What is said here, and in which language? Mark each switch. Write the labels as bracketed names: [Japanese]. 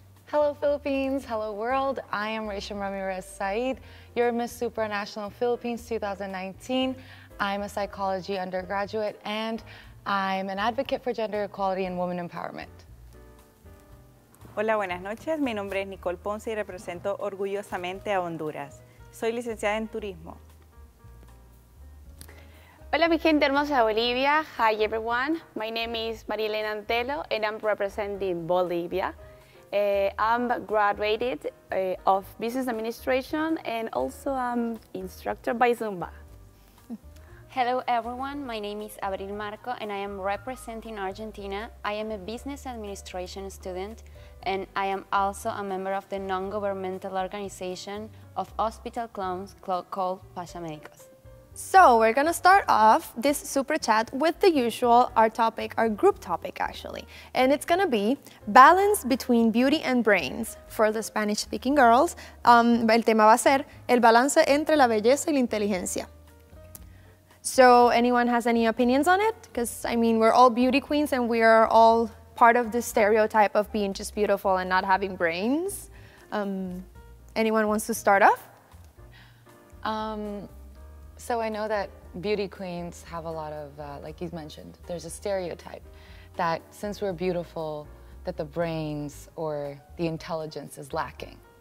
[English] Hello, Philippines. Hello, world. I am Rachel Ramirez Said, your Miss Supranational Philippines 2019. I'm a psychology undergraduate, and I'm an advocate for gender equality and women empowerment. [Spanish] Hola, buenas noches. Mi nombre es Nicole Ponce y represento orgullosamente a Honduras. Soy licenciada en turismo. Hola, mi gente hermosa de Bolivia. [English] Hi, everyone. My name is Marielena Antelo and I'm representing Bolivia. I'm graduated of business administration and also I'm instructor by Zumba. Hello everyone, my name is Abril Marco and I am representing Argentina. I am a business administration student and I am also a member of the non-governmental organization of hospital clowns called Pasamédicos. So we're gonna start off this super chat with the usual, our group topic actually. And it's gonna be balance between beauty and brains for the Spanish speaking girls. [Spanish] El tema va a ser el balance entre la belleza y la inteligencia. [English] So anyone has any opinions on it? Because, I mean, we're all beauty queens and we are all part of the stereotype of being just beautiful and not having brains. Anyone wants to start off? So I know that beauty queens have a lot of, like you mentioned, there's a stereotype that since we're beautiful, that the brains or the intelligence is lacking.